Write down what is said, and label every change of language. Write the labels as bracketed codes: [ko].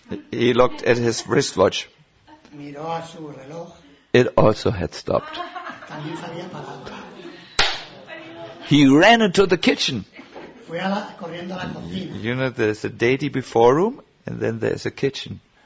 [en] He looked at his wristwatch. [es] Miró a su reloj. [en] It also had stopped. [es] También se había parado. [en] He ran into the kitchen. [es] Fue a corriendo a la cocina. [en] You know, there's a deity before room, and then there's a kitchen.